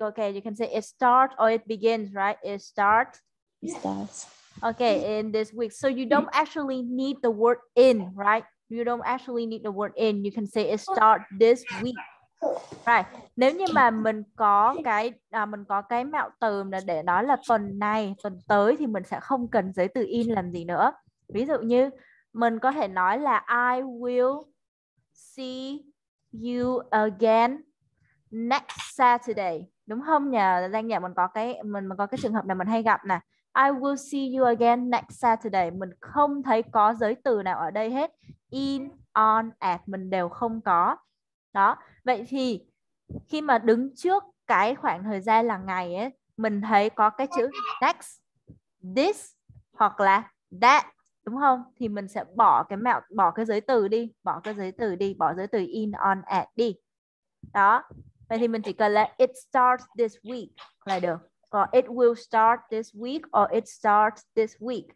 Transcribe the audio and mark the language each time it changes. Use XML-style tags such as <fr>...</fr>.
<en>Okay, you can say it starts or it begins, right? It starts. Starts. Okay, in this week. So you don't actually need the word in, right? You don't actually need the word in. You can say it start this week. Right.</en> <vi>Nếu như mà mình có cái mạo từ là để nói là tuần này, tuần tới thì mình sẽ không cần giấy từ in làm gì nữa. Ví dụ như mình có thể nói là</vi> <en>I will see you again next Saturday,</en> <vi>đúng không nhỉ? Đang nhà mình có cái mình có cái trường hợp là mình hay gặp nè.</vi> <en>I will see you again next Saturday.</en> <vi>Mình không thấy có giới từ nào ở đây hết. In, on, at mình đều không có. Đó. Vậy thì khi mà đứng trước cái khoảng thời gian là ngày ấy, mình thấy có cái chữ next, this hoặc là that, đúng không? Thì mình sẽ bỏ cái giới từ đi, bỏ cái giới từ đi, bỏ giới từ in, on, at đi. Đó. Vậy thì mình chỉ cần là</vi> <en>it starts this week</en> <vi>là được.</vi> <en>Or it will start this week or it starts this week.</en>